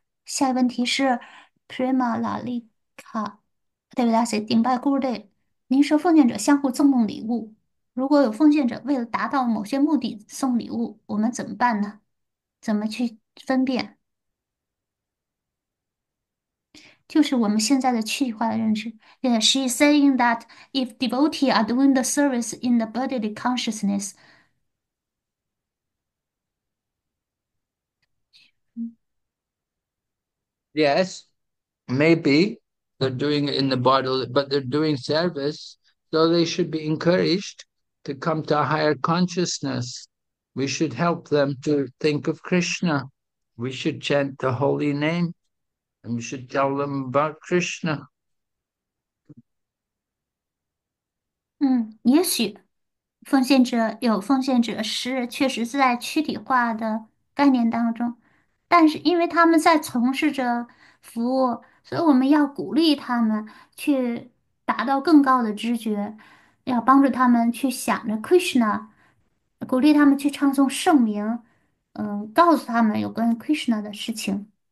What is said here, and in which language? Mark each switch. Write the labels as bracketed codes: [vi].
[zh] 下一个问题是，Prema Lalita Devadasi Dinpai Guru Dev，您说奉献者相互赠送礼物，如果有奉献者为了达到某些目的送礼物，我们怎么办呢？怎么去分辨？就是我们现在的躯体化的认知。 [en] Yeah, she is saying that if devotee are doing the service in the bodily consciousness, Yes, maybe they're doing it in the bodily, but they're doing service, so they should be encouraged to come to a higher consciousness. We should help them to think of Krishna. We should chant the holy name, and we should tell them about Krishna. [zh] 也许奉献者有奉献者是确实是在躯体化的概念当中，但是因为他们在从事着服务，所以我们要鼓励他们去达到更高的知觉，要帮助他们去想着 Krishna，鼓励他们去唱诵圣名，告诉他们有关 Krishna 的事情。